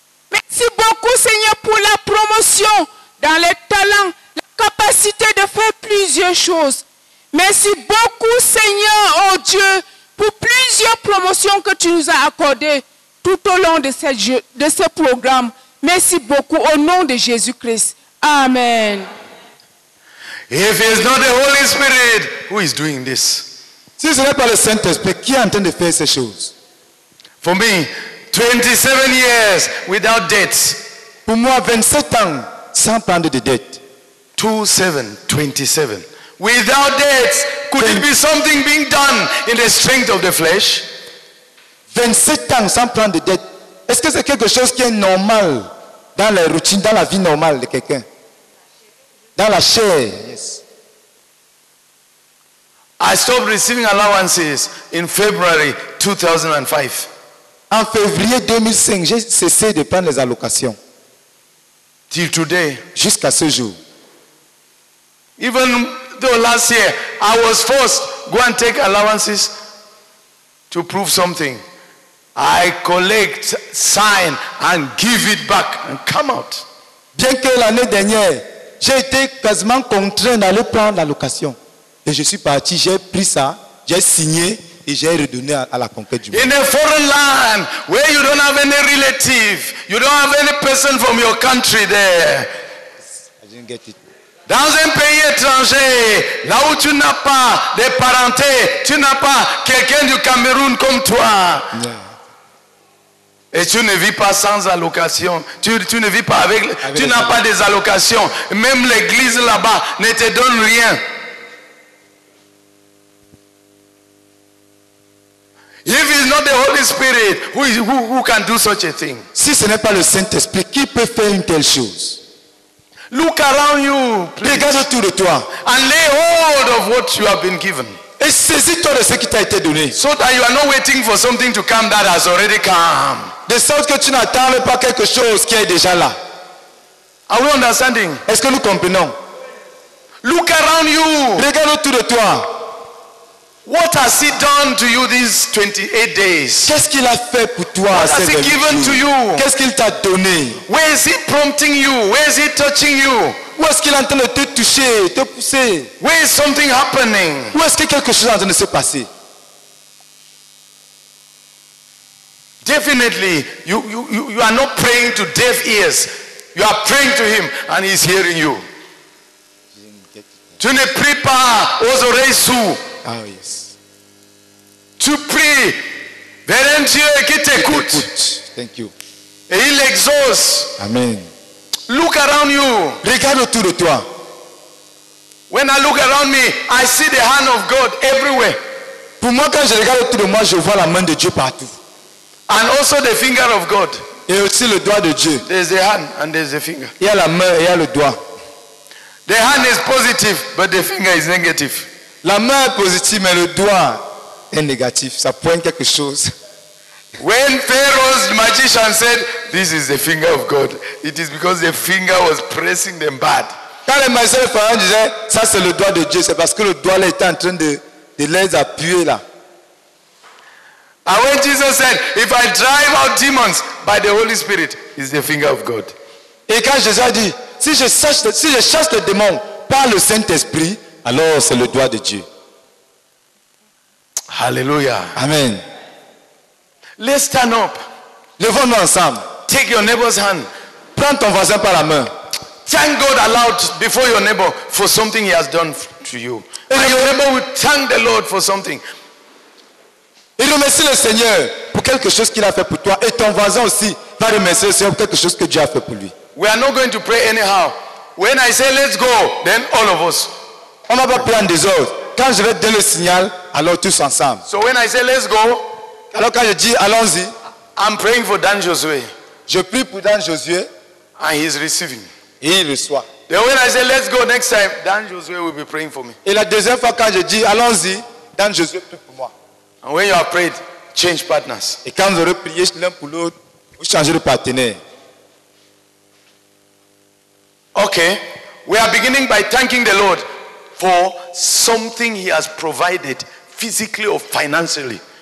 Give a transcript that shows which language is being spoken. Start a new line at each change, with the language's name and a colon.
French: Merci beaucoup, Seigneur, pour la promotion dans les talents, la capacité de faire plusieurs choses. Merci beaucoup, Seigneur, oh Dieu, pour plusieurs promotions que tu nous as accordées tout au long de ce programme. Merci beaucoup, au nom de Jésus-Christ. Amen.
English: If it's not the Holy Spirit, who is doing this?
French: Si ce n'est pas le Saint-Esprit, qui est en train de faire ces choses?
English: For me, 27 years without debts.
French: Pour moi, 27 ans sans prendre de dettes.
English: 27. Without debts, could it be something being done in the strength of the flesh?
French: 27 ans sans prendre de dettes. Est-ce que c'est quelque chose qui est normal dans la routine, dans la vie normale de quelqu'un? Dans la chair, yes.
English: I stopped receiving allowances in February 2005.
French: En février 2005, j'ai cessé de prendre les allocations. Till today. Jusqu'à ce jour.
English: Even though last year, I was forced to go and take allowances to prove something. I collect, sign, and give it back and come out.
French: Bien que l'année dernière, j'ai été quasiment contraint d'aller prendre l'allocation. Et je suis parti, j'ai pris ça, j'ai signé et j'ai redonné à la conquête du monde.
English: In a foreign land where you don't have any relative, you don't have any person from your country there. I didn't get it.
French: Dans un pays étranger, là où tu n'as pas de parenté, tu n'as pas quelqu'un du Cameroun comme toi.
English: Yeah.
French: Et tu ne vis pas sans allocation. Tu ne vis pas avec. Tu n'as pas des allocations. Même l'église là-bas ne te donne rien.
English: If it's not the Holy Spirit, who can do such a thing?
French: Si ce n'est pas le Saint-Esprit, qui peut faire une telle chose?
English: Look around you, please.
French: Regarde autour de toi.
English: And lay hold of what you have been given.
French: Et saisis-toi de ce qui t'a été donné.
English: So that you are not waiting for something to come that has already come.
French: De sorte que tu n'attends pas quelque chose qui est déjà là.
English: Are we understanding?
French: Est-ce que nous comprenons?
English: Look around you.
French: Regarde autour de toi.
English: What has he done to you these 28 days?
French: Qu'est-ce qu'il a fait pour toi?
English: What has he given to you?
French: Qu'est-ce qu'il t'a donné?
English: Where is he prompting you? Where is he touching you?
French: Où est-ce qu'il est en train de te toucher, te pousser?
English: Where is something happening?
French: Où est-ce que quelque chose est en train de se passer?
English: Definitely, you are not praying to deaf ears. You are praying to him and he is hearing you.
French: Tu ne pries pas aux oreilles sourdes.
English: Ah, yes.
French: Tu pries vers un Dieu qui t'écoute.
English: Thank you.
French: Et il exauce.
English: Amen. Look around you.
French: Regarde autour de toi.
English: When I look around me, I see the hand of God everywhere.
French: Pour moi, quand je regarde autour de moi, je vois la main de Dieu partout.
English: And also the finger of God.
French: Et aussi le doigt de Dieu.
English: There's the hand and there's the finger.
French: Il y a la main et il y a le doigt.
English: The hand is positive, but the finger is negative.
French: La main est positive, mais le doigt est négatif. Ça pointe quelque chose.
English: When Pharaoh's magician said, "This is the finger of God," it is because the finger was pressing them bad.
French: Quand le magicien de Pharaon disait, "Ça c'est le doigt de Dieu," c'est parce que le doigt là était en train de les appuyer là.
English: And when Jesus said, "If I drive out demons by the Holy Spirit," it's the finger of God.
French: Et quand Jésus a dit, si je chasse le démon par le Saint-Esprit, alors c'est le doigt de Dieu.
English: Hallelujah. Amen. Let's stand up.
French: Levons-nous ensemble.
English: Take your neighbor's hand.
French: Prends ton voisin par la main.
English: Thank God aloud before your neighbor for something he has done to you. And your neighbor will thank the Lord for something.
French: Et remercie le Seigneur pour quelque chose qu'il a fait pour toi. Et ton voisin aussi va remercier le Seigneur pour quelque chose que Dieu a fait pour lui.
English: We are not going to pray anyhow. When I say let's go, then all of us.
French: On va pas prendre des ordres. Quand je vais donner le signal, alors tous ensemble.
English: So when I say let's go,
French: alors quand je dis allons-y,
English: I'm praying for Dan Josué.
French: Je prie pour Dan Josué.
English: And he's receiving.
French: Et il reçoit.
English: Then when I say let's go next time, Dan Josué will be praying for me.
French: Et la deuxième fois quand je dis allons-y, Dan Josué prie pour moi.
English: And when you are prayed, change partners.
French: Et quand vous aurez prié l'un pour l'autre, vous changez de partenaire.
English: Okay, we are beginning by thanking the Lord for something he has provided physically or financially.